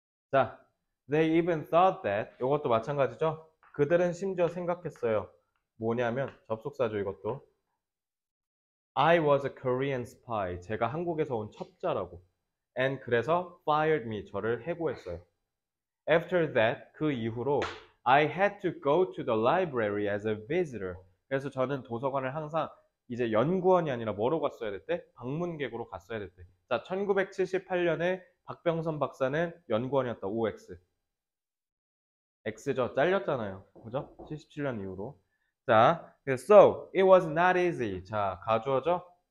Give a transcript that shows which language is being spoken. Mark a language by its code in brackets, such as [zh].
[en] 자, they even thought that [ko] 이것도 마찬가지죠? 그들은 심지어 생각했어요. 뭐냐면 접속사죠, 이것도. [en] I was a Korean spy. [ko] 제가 한국에서 온 첩자라고. [en] And [ko] 그래서 [en] fired me. [ko] 저를 해고했어요. [en] After that, [ko] 그 이후로 [en] I had to go to the library as a visitor. [ko] 그래서 저는 도서관을 항상 이제 연구원이 아니라 뭐로 갔어야 됐대? 방문객으로 갔어야 됐대. 자, 1978년에 박병선 박사는 연구원이었다. OX. X죠. 잘렸잖아요. 그죠? 77년 이후로. [en] 자, so it was not easy. [ko] 자, 가져오죠?